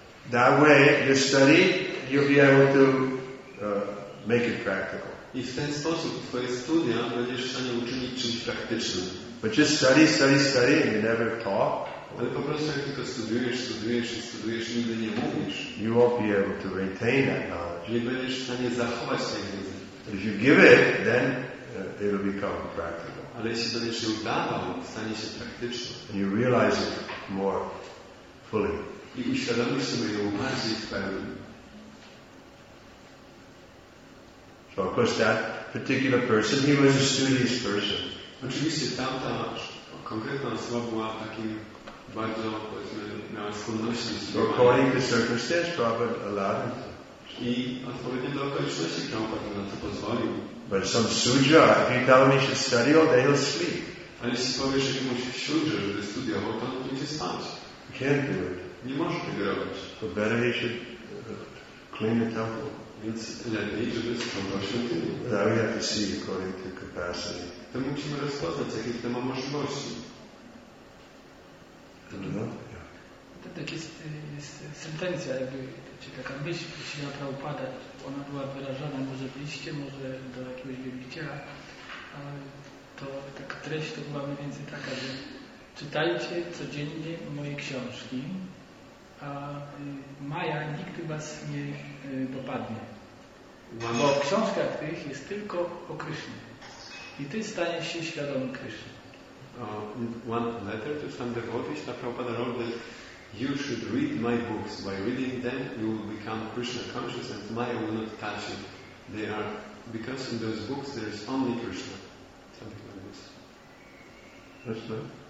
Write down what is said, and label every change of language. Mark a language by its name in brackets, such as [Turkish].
[English] That way, you study, you'll be able to make it practical. [Polish] I w ten sposób twoje studia będziesz w stanie uczynić czymś praktycznym. [English] But just study, study, study, and you never talk. [Polish] Ale po prostu jak tylko studiujesz, studiujesz i studiujesz, nigdy nie mówisz. [English] You won't be able to retain that knowledge. [Polish] Nie będziesz w stanie zachować tej wiedzy. [English] If you give it, then it will become practical. [Polish] Ale jeśli będziesz się udawał, stanie się praktyczne. [English] And you realize it more fully. [Polish] I uświadomisz sobie ją bardziej w pełni. [English] So of course that particular person, he was a studious person. [Polish] Oczywiście tamta konkretna osoba była takim bardzo, powiedzmy, miała skłonności do studiowania. [English] According to circumstances, Prabhupada allowed him. [Polish] I odpowiednio do okoliczności Prabhupada na to pozwolił. [English] But some sudra, if you tell him he should study all day, he'll sleep. [Polish] Ale jeśli powiesz jakiemuś sudrze, żeby studiował, to on będzie spać. [English] He can't do it. [Polish] Nie może tego robić. [English] But better he should clean the temple. [Polish] Więc lepiej, żeby sprzątał świątynię. [English] That we have to see according to capacity. [Polish] To musimy rozpoznać, jakie to ma możliwości. To tak jest, jest sentencja, jakby, czy taka myśl, Śrīla Prabhupada, ona była wyrażona może w liście, może do jakiegoś wielbiciela, ale to taka treść to była mniej więcej taka, że czytajcie codziennie moje książki, a maja nigdy was nie dopadnie. Bo w książkach tych jest tylko o Krishnie. I ty staniesz się świadomy Krishny. [English] One letter to some devotees, that Prabhupada wrote that you should read my books. By reading them, you will become Krishna conscious and Maya will not touch it. They are, because in those books there is only Krishna. Something like this. That's not.